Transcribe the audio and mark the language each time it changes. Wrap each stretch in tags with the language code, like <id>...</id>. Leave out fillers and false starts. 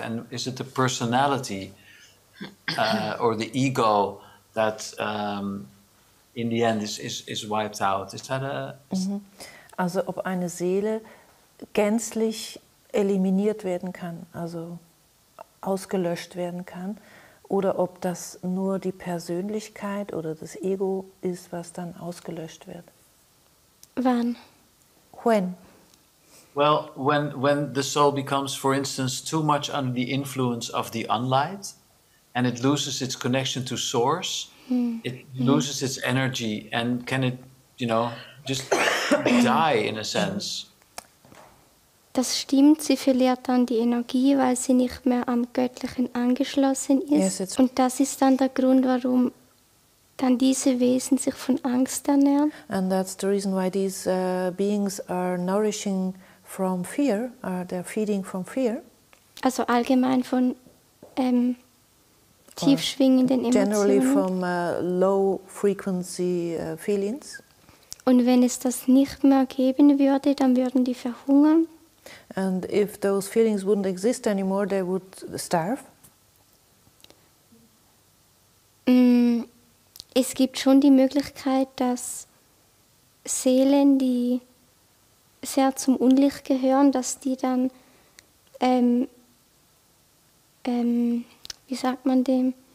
<en>And is it the personality or the ego that in the end is wiped out? Is that a...</en> <de>Also ob eine Seele gänzlich eliminiert werden kann, also ausgelöscht werden kann, oder ob das nur die Persönlichkeit oder das Ego ist, was dann ausgelöscht wird. Wann?</de> <en>When? Well, when the soul becomes, for instance, too much under the influence of the unlight, and it loses its connection to source, it loses its energy, and can it, you know, just die in a sense?</en> <de>Das stimmt. Sie verliert dann die Energie, weil sie nicht mehr am Göttlichen angeschlossen ist.</de> <en>Yes,</en> <de>und das ist dann der Grund, warum dann diese Wesen sich von Angst ernähren.</de> <en>And that's the reason why these beings are nourishing from fear, they're feeding from fear.</en> <de>Also allgemein von tief schwingenden Emotionen.</de> <en>Generally from low frequency feelings.</en> <de>Und wenn es das nicht mehr geben würde, dann würden die verhungern.</de> <en>And if those feelings wouldn't exist anymore, they would starve.</en> <de>Es gibt schon die Möglichkeit, dass Seelen, die sehr zum Unlicht gehören, dass die dann, wie sagt man dem,</de>